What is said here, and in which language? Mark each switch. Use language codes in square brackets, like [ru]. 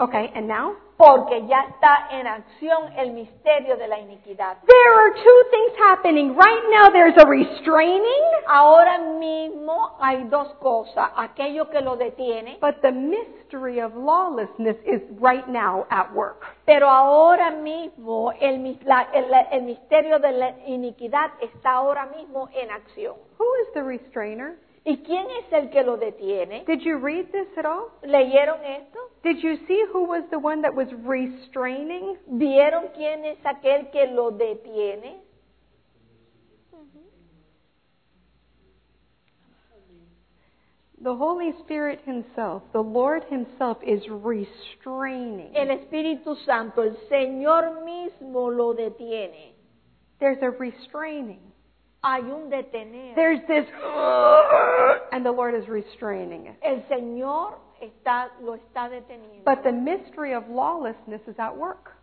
[en] Okay, and now? [es] Porque ya está en acción el misterio de la iniquidad. [en] There are two things happening. Right now there's a restraining. [es] Ahora mismo hay dos cosas. Aquello que lo detiene. [en] But the mystery of lawlessness is right now at work. [es] Pero ahora mismo el misterio de la iniquidad está ahora mismo en acción. [en] Who is the restrainer? [es] ¿Y quién es el que lo detiene? [en] Did you read this at all? [es] ¿Leyeron esto? [en] Did you see who was the one that was restraining? [es] ¿Vieron quién es aquel que lo detiene? [en] The Holy Spirit himself, the Lord himself is restraining. [es] El Espíritu Santo, el Señor mismo lo detiene. [en] There's a restraining. [es] Hay un detener. [en] There's this, and the Lord is restraining it. [es] El Señor lo está deteniendo. [en] But the mystery of lawlessness is at work.